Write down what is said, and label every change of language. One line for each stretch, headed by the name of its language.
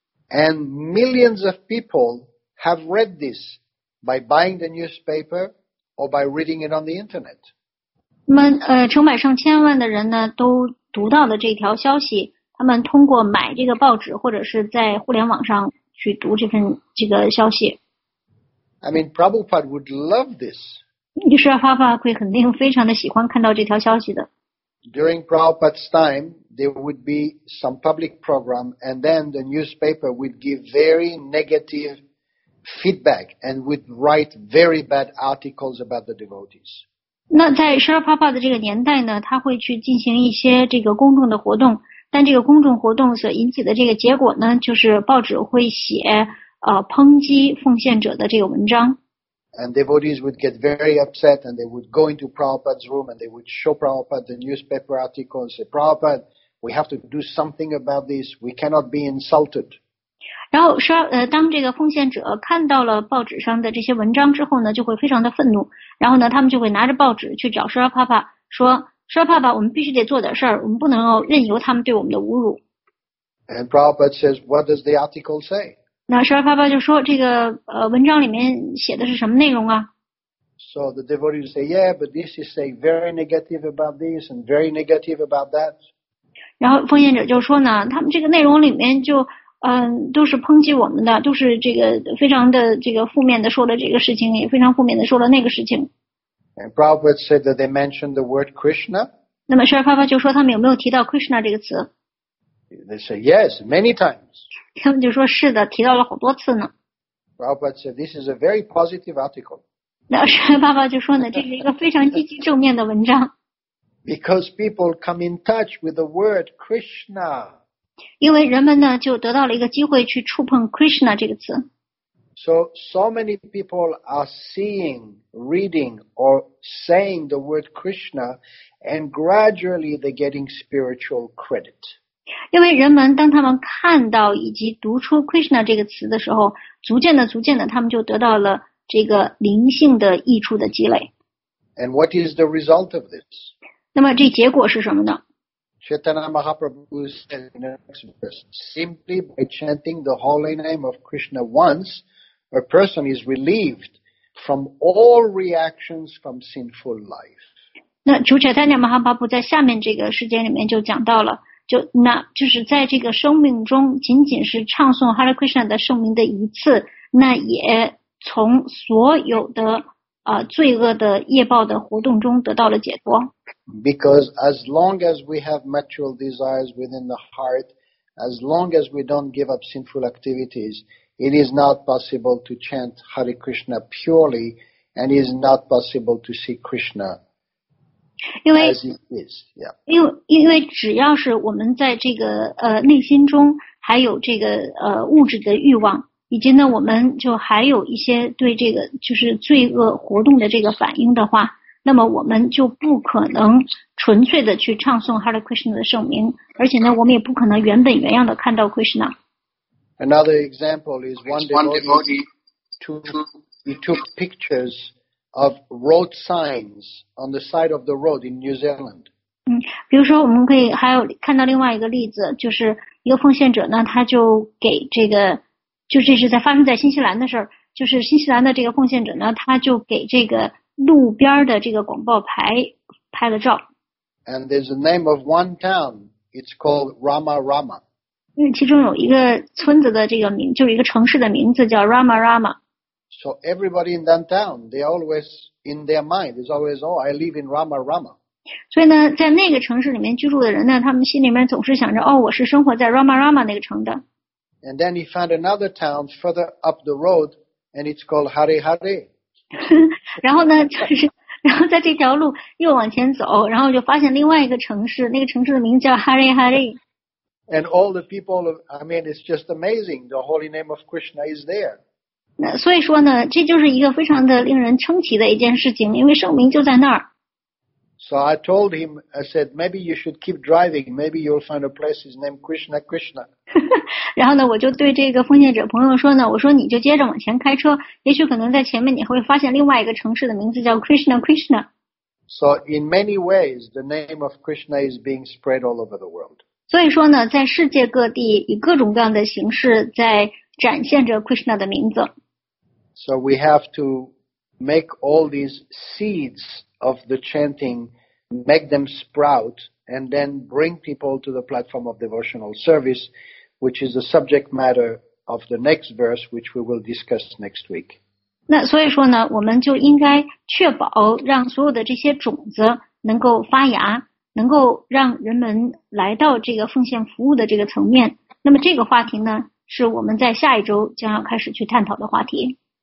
English: And millions of people have read this by buying the newspaper or by reading it on the internet.
Chinese: 那么成百上千万的人呢都读到了这条消息，他们通过买这个报纸或者是在互联网上去读这份这个消息。
English: I mean, Prabhupada would love this.
Chinese: 于是发发会肯定非常的喜欢看到这条消息的。
English: During Prabhupada's time, there would be some public program, and then the newspaper would give very negative feedback and would write very bad articles about the devotees.
Chinese: 那在沙巴巴的这个年代呢，他会去进行一些这个公众的活动，但这个公众活动所引起的这个结果呢，就是报纸会写抨击奉献者的这个文章。
English: And devotees would get very upset and they would go into Prabhupada's room and they would show Prabhupada the newspaper article and say, Prabhupada, we have to do something about this. We cannot be insulted.
Chinese: 然后说当这个奉献者看到了报纸上的这些文章之后呢，就会非常的愤怒。然后呢，他们就会拿着报纸去找沙帕帕说，沙帕帕，我们必须得做点事儿，我们不能够任由他们对我们的侮辱。
English: And Prabhupada says, what does the article say?
Chinese: 那沙巴巴就说这个文章里面写的是什么内容啊
English: ？So the devotees say, yeah, but this is a very negative about this and very negative about that.
Chinese: 然后奉献者就说呢，他们这个内容里面就都是抨击我们的，都是这个非常的这个负面的说了这个事情，也非常负面的说了那个事情。
English: And Prabhupada said that they mentioned the word Krishna.
Chinese: 那么沙巴巴就说他们有没有提到 Krishna 这个词
English: ？They say yes, many times.
Chinese: 他们就说是的，提到了好多次呢。
English: Prabhupada said, this is a very positive article.
Chinese: 那沙巴巴就说呢，这是一个非常积极正面的文章。
English: Because people come in touch with the word Krishna.
Chinese: 因为人们呢就得到了一个机会去触碰 Krishna 这个词。
English: So many people are seeing, reading, or saying the word Krishna, and gradually they're getting spiritual credit.
Chinese: 因为人们当他们看到以及读出 Krishna 这个词的时候，逐渐的逐渐的他们就得到了这个灵性的益处的积累。
English: And what is the result of this?
Chinese: 那么这结果是什么呢？
English: Chaitanya Mahaprabhu said in the next verse, simply by chanting the holy name of Krishna once, a person is relieved from all reactions from sinful life.
Chinese: 那主 Chaitanya Mahaprabhu 在下面这个时间里面就讲到了就是在这个生命中仅仅是唱诵 Hare Krishna 的圣名的一次，那也从所有的罪恶的业报的活动中得到了解脱。
English: Because as long as we have material desires within the heart, as long as we don't give up sinful activities, it is not possible to chant Hare Krishna purely and is not possible to see Krishna.
Chinese: 因为只要是我们在这个内心中还有这个物质的欲望，以及呢我们就还有一些对这个就是罪恶活动的这个反应的话，那么我们就不可能纯粹的去唱诵 Hare Krishna 的圣名，而且呢我们也不可能原本原样的看到 Krishna。
English: Another example is one devotee took pictures. Of road signs on the side of the road in New Zealand.
Chinese: 比如说我们可以还有看到另外一个例子，就是一个奉献者呢，他就给这个，就这是在发生在新西兰的事儿，就是新西兰的这个奉献者呢，他就给这个路边的这个广告牌拍了照。
English: And there's a name of one town. It's called Rama Rama.
Chinese: 其中有一个村子的这个名，就是一个城市的名字叫 Rama Rama.
English: So everybody in that town, they always in their mind is always, oh, I live in Rama Rama.
Chinese: 所以呢，在那个城市里面居住的人呢，他们心里面总是想着，哦，我是生活在 Rama Rama 那个城的。
English: And then he found another town further up the road, and it's called Hare Hare.
Chinese: 然后呢，然后在这条路又往前走，然后就发现另外一个城市，那个城市的名字叫 Hare Hare.
English: And all the people, I mean, it's just amazing. The holy name of Krishna is there.
Chinese: 那所以说呢，这就是一个非常的令人称奇的一件事情，因为圣名就在那儿。
English: So I told him, I said, maybe you should keep driving. Maybe you'll find a place his name Krishna Krishna.
Chinese: 然后呢，我就对这个奉献者朋友说呢，我说你就接着往前开车，也许可能在前面你会发现另外一个城市的名字叫 Krishna Krishna.
English: So in many ways, the name of Krishna is being spread all over the world.
Chinese: 所以说呢，在世界各地以各种各样的形式在展现着 Krishna 的名字。
English: So we have to make all these seeds. Of the chanting, make them sprout and then bring people to the platform of devotional service, which is the subject matter of the next verse, which we will discuss next week.
Chinese: 那所以说呢，我们就应该确保让所有的这些种子能够发芽，能够让人们来到这个奉献服务的这个层面。那么这个话题呢，是我们在下一周将要开始去探讨的话题。